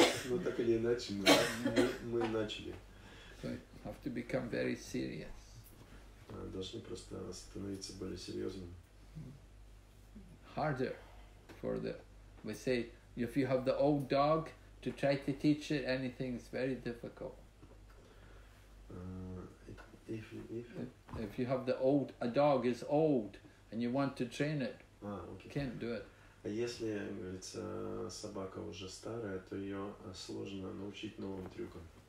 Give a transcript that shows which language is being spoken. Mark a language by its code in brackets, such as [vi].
[ru] Ну так или иначе мы начали. [en] Have to become very serious. [ru] Должны просто становиться более серьезным. [en] Harder for the. We say if you have the old dog to try to teach it anything, it's very difficult. If you have the old, a dog is old, and you want to train it, okay. Can't do it. [ru] А если, говорится, собака уже старая, то ее сложно научить новым трюкам.